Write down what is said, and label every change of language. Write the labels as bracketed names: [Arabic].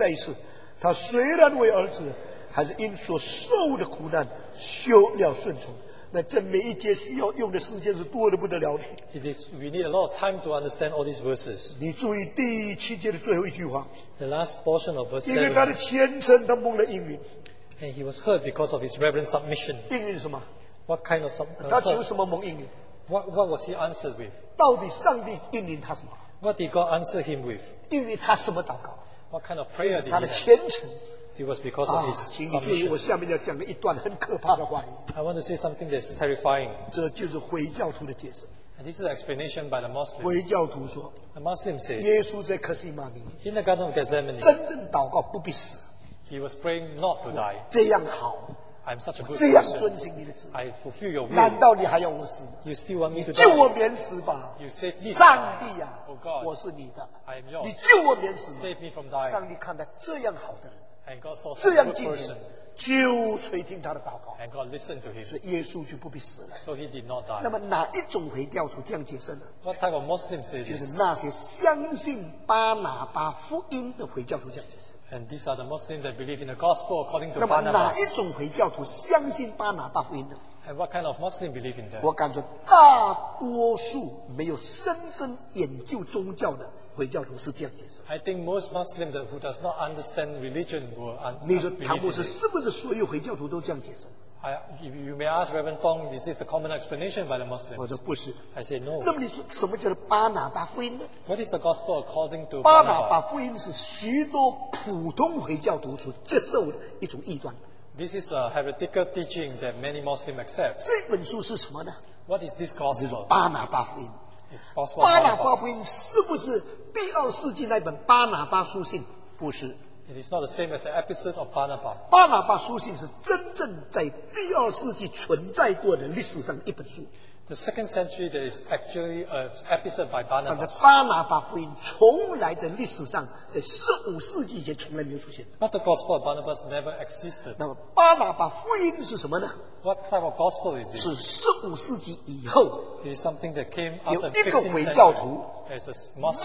[Chinese] 再一次，他虽然为儿子，还是因所受的苦难，学了顺从。那这每一节需要用的时间是多的不得了的。 [English] It is, we need a lot of time to understand all these verses. [Chinese] 你注意第七节的最后一句话。 [English] The last portion of verse 7. [Chinese] 因为他的虔诚，他蒙了应允。 [English] And he was heard because of his reverent submission. [Chinese] 应允是什么？ [English] What kind of submission? [Chinese] 他求什么蒙应允？ [English] What was he answered with? [Chinese] 到底上帝应允他什么？ [English] What did God answer him with? [Chinese] 应允他什么祷告？ [English] What kind of prayer did he have? [Chinese] 他的虔诚。 [English] It was because of his submission. [Chinese] 请你注意，我下面要讲的一段很可怕的话语。 [English] I want to say something that's terrifying. [Chinese] 这就是回教徒的解释。 [English] And this is an explanation by the Muslim. [Chinese] 回教徒说 [English] ，The Muslim says, [Chinese] 耶稣在克西马尼 [English] ，In the Garden of Gethsemane, [Chinese] 真正祷告不必死。 [English] He was praying not to die. [Chinese] 这样好 [English] ，I'm such a good person. [Chinese] 这样遵行你的旨 [English] 意 ，I fulfill your will. [Chinese] 难道你还要我死 [English] ？You still want me to die? [Chinese] 你救我免死吧 [English] ！You save me. [Chinese] 上帝啊 [English] ，Oh God, [Chinese] 我是你的 [English] ，I am yours. [Chinese] 你救我免死 [English] ，Save me from dying. [Chinese] 上帝看待这样好的人。 [English] And God saw [Chinese] 这样敬虔，就垂听他的祷告。 [English] And God listened to him. [Chinese] 所以耶稣就不必死了。 [English] So he did not die. [Chinese] 那么哪一种回教徒这样解释呢？ [English] What type of Muslim says? [Chinese] 就是那些相信巴拿巴福音的回教徒这样解释。 [English] And these are the Muslims that believe in the gospel according to Barnabas. [Chinese] 那么哪一种回教徒相信巴拿巴福音呢？ [English] And what kind of Muslim believe in that? [Chinese] 我感觉大多数没有深深研究宗教的。回教徒是这样解释。 [English] I think most Muslims who does not understand religion will believe. [Chinese] 你说唐牧师是不是所有回教徒都这样解释 [English] you may ask Reverend Tong, is this the common explanation by the Muslims? [Chinese] 我说不是。 [English] I say no. [Chinese] 那么你说什么叫做巴拿巴福音呢？ [English] What is the gospel according to [Chinese] 巴拿巴福音是许多普通回教徒所接受的一种异端。 [English] This is a heretical teaching that many Muslims accept. [Chinese] 这本书是什么呢？ [English] What is this gospel? [Chinese] 是巴拿巴福音。巴拿巴福音是不是第二世纪那本巴拿巴书信？不是。 [English] It is not the same as the episode of Barnabas. [Chinese] 巴拿巴书信是真正在第二世纪存在过的历史上一本书。 [English] The second century that is actually an episode by Barnabas. [Chinese] 但是巴拿巴福音从来在历史上在十五世纪以前从来没有出现。 [English] But the gospel of Barnabas never existed. [Chinese] 那么巴拿巴福音是什么呢？ [English] What type of gospel is this? [Chinese] 是十五世纪以后 [English] It is something that came after [Chinese] 有一个伪教徒 [English] as a Muslim,